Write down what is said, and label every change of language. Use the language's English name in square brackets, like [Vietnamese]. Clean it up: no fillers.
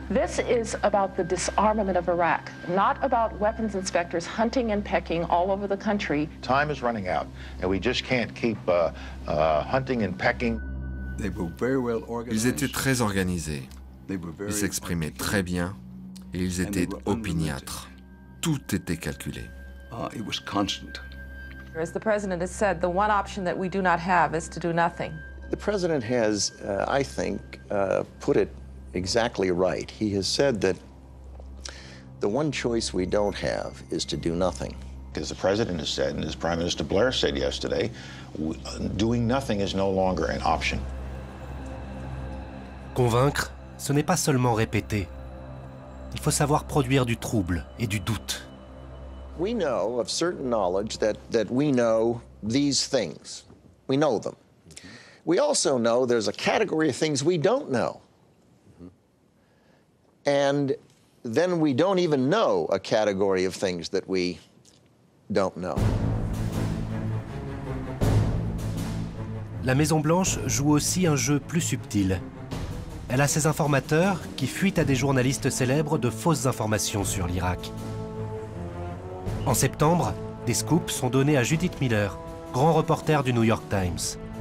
[English] This is about the disarmament of Iraq, not about weapons inspectors hunting and pecking all over the country. Time is running out, and we just can't keep hunting and pecking. They were very well organized. [French] Ils étaient très organisés. Ils s'exprimaient très bien, et ils étaient opiniâtres. Tout était calculé. [English] It was constant. As the president has said, the one option that we do not have is to do nothing. The president has, I think, put it exactly right. He has said that the one choice we don't have is to do nothing. As the president has said, and as Prime Minister Blair said yesterday, doing nothing is no longer an option. [French] Convaincre, ce n'est pas seulement répéter. Il faut savoir produire du trouble et du doute. [English] We know of certain knowledge that we know these things. We know them. We also know there's a category of things we don't know. And then we don't even know a category of things that we don't know. [French] La Maison-Blanche joue aussi un jeu plus subtil. Elle a ses informateurs qui fuient à des journalistes célèbres de fausses informations sur l'Irak. En septembre, des scoops sont donnés à Judith Miller, grand reporter du New York Times.